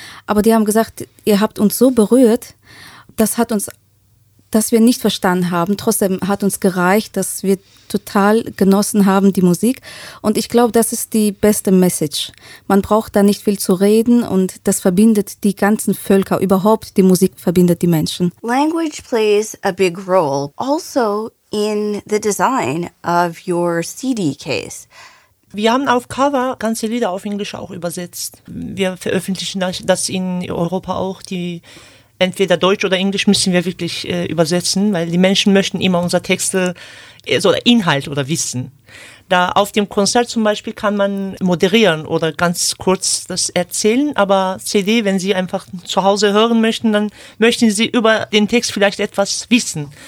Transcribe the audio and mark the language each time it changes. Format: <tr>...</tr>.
<de>Aber die haben gesagt, ihr habt uns so berührt, dass wir nicht verstanden haben. Trotzdem hat uns gereicht, dass wir total genossen haben, die Musik. Und ich glaube, das ist die beste Message. Man braucht da nicht viel zu reden und das verbindet die ganzen Völker. Überhaupt, die Musik verbindet die Menschen.</de> <en>Language plays a big role. Also in the design of your CD case.</en> <de>Wir haben auf Cover ganze Lieder auf Englisch auch übersetzt. Wir veröffentlichen das in Europa auch, die entweder Deutsch oder Englisch müssen wir wirklich übersetzen, weil die Menschen möchten immer unsere Texte, also Inhalt oder Wissen. Da auf dem Konzert zum Beispiel kann man moderieren oder ganz kurz das erzählen, aber CD, wenn Sie einfach zu Hause hören möchten, dann möchten Sie über den Text vielleicht etwas wissen.</de>